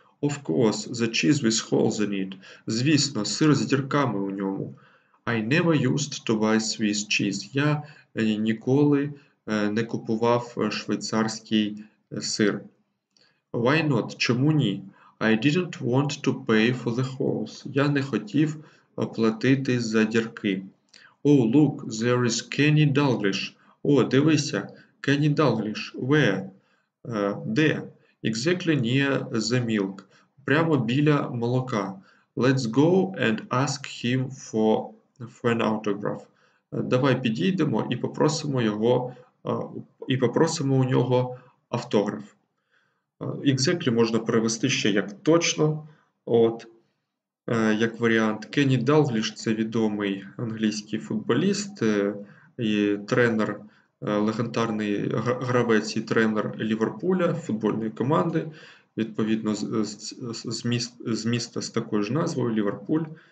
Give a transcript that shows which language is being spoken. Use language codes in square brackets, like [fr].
[en] Of course, the cheese with holes in it. [uk] Звісно, сир з дірками у ньому. [en] I never used to buy Swiss cheese. [uk] Я ніколи не купував швейцарський сир. [en] Why not? [uk] Чому ні? [en] I didn't want to pay for the holes. [uk] Я не хотів платити за дірки. [en] Oh, look, there is Kenny Dalglish. [uk] О, дивися, [en] Kenny Dalglish. Where? [uk] Де? [en] Exactly near the milk. [uk] Прямо біля молока. [en] Let's go and ask him for an autograph. [uk] Давай підійдемо і попросимо його у нього автограф. Exactly можна перевести ще як точно. От, як варіант. Кенні Далгліш – це відомий англійський футболіст і тренер, легендарний гравець і тренер Ліверпуля, футбольної команди, відповідно, з міста з такою ж назвою – Ліверпуль.